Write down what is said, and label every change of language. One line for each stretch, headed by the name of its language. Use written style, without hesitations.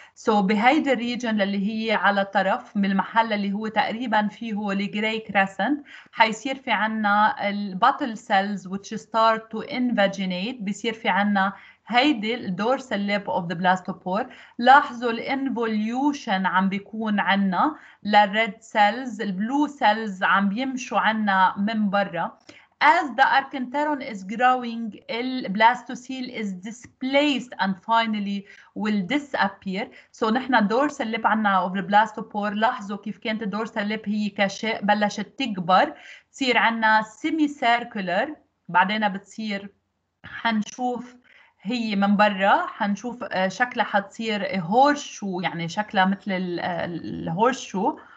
Arabic: So بهيدا الريجن اللي هي على الطرف من المحل اللي هو تقريبا فيه هو الجراي كريسنت، حيصير في عنا البطل سيلز
English: which start to invaginate.
Arabic: بيصير في عنا هيدا الدورسال ليب
English: of the blastopore.
Arabic: لاحظوا الانفوليوشن عم بيكون عنا للريد سيلز، البلو سيلز عم بيمشوا عنا من برا.
English: As the arcinteron is growing, the blastocele is displaced and finally will disappear.
Arabic: So نحنا dorsal lip عنا
English: of the blastopore،
Arabic: لاحظوا كيف كانت dorsal lip هي كشاء بلشت تكبر، تصير عنا semicircular، بعدين بتصير حنشوف هي من برا، حنشوف شكلها حتصير horseshoe، يعني شكلها مثل ال horseshoe.